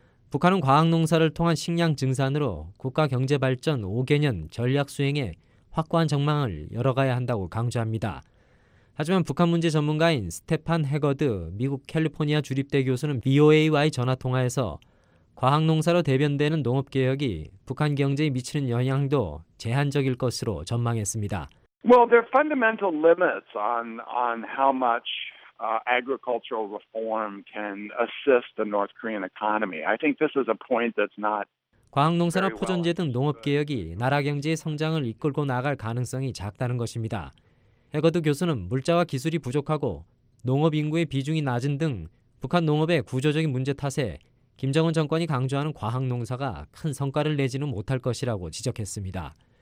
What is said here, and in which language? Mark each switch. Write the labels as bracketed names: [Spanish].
[Korean] 북한은 과학농사를 통한 식량 증산으로 국가 경제 발전 5개년 전략 수행에 확고한 전망을 열어가야 한다고 강조합니다. 하지만 북한 문제 전문가인 스테판 해거드 미국 캘리포니아 주립대 교수는 BOA와의 전화 통화에서 과학농사로 대변되는 농업개혁이 북한 경제에 미치는 영향도 제한적일 것으로 전망했습니다. [English] Well, there are fundamental limits on how much agricultural reform can assist the North Korean economy. I think this is a point that's not. [Korean] 과학농사나 포존재 등 농업개혁이 나라 경제의 성장을 이끌고 나갈 가능성이 작다는 것입니다. 해거드 교수는 물자와 기술이 부족하고 농업 인구의 비중이 낮은 등 북한 농업의 구조적인 문제 탓에 김정은 정권이 강조하는 과학 농사가 큰 성과를 내지는 못할 것이라고 지적했습니다.